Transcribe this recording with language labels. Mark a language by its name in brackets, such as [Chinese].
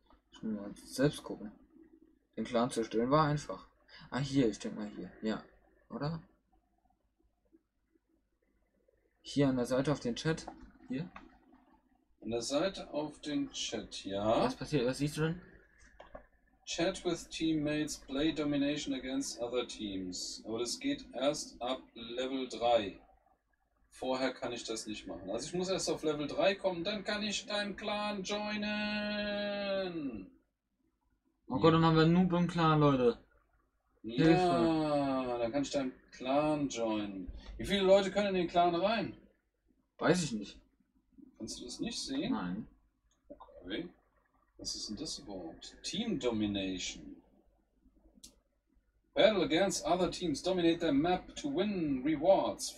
[German] Ich muss mal selbst gucken. Den Clan zerstören war einfach. Ah, hier, ich denke mal hier. Ja, oder? Hier an der Seite auf den Chat. Hier. An der Seite auf den Chat, ja. Was passiert? Was siehst du denn? [English] Chat with teammates, play domination against other teams. [German] Aber das geht erst ab Level 3. Vorher kann ich das nicht machen. Also ich muss erst auf Level 3 kommen, dann kann ich deinen Clan joinen. Oh Gott, dann haben wir Noob im Clan, Leute. Hilfe. Ja, dann kann ich deinen Clan joinen. Wie viele Leute können in den Clan rein? Weiß ich nicht. Kannst du das nicht sehen? Nein. Okay. Was ist denn das überhaupt? [English] Team Domination. Battle against other teams. Dominate their map to win rewards.